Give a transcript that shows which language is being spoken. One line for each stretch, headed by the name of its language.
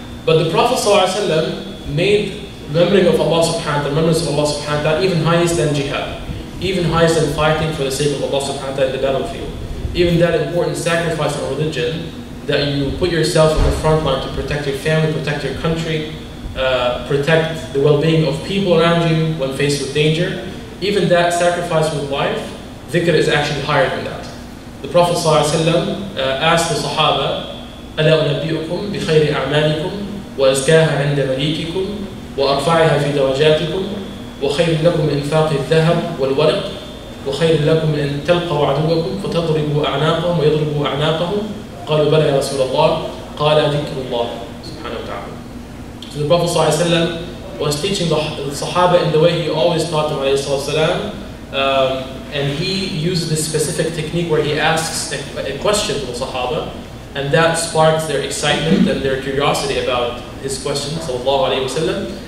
English: But the Prophet sallallahu alayhi wa sallam made remembering of Allah subhanahu wa ta'ala, remembrance of Allah subhanahu wa ta'ala, even highest than jihad, even highest than fighting for the sake of Allah subhanahu wa ta'ala in the battlefield. Even that important sacrifice of religion, that you put yourself on the front line to protect your family, protect your country, protect the well-being of people around you when faced with danger, even that sacrifice with life, dhikr is actually higher than that. The Prophet asked the Sahaba,
Arabic: أَلَا أُنَبِّئُكُمْ بِخَيْرِ أَعْمَالِكُمْ وَأَزْكَاهَا عِنْدَ مَلِيكِكُمْ وَأَرْفَعِهَا فِي دَرَجَاتِكُمْ وَخَيْرٌ لَكُمْ إِنْفَاقِ الذَّهَبِ وَالْوَرَقِ وخير لكم ان تلقوا عدوكم فتضربوا اعناقهم ويضربوا اعناقهم قالوا بلى يا رسول الله قال ذكر الله سبحانه وتعالى.
English: So the Prophet
Arabic: صلى الله عليه وسلم
English: was teaching the Sahaba in the way he always taught them
Arabic: عليه الصلاة والسلام,
English: and he used this specific technique where he asks a question to the Sahaba, and that sparks their excitement and their curiosity about his question
Arabic: صلى الله عليه وسلم.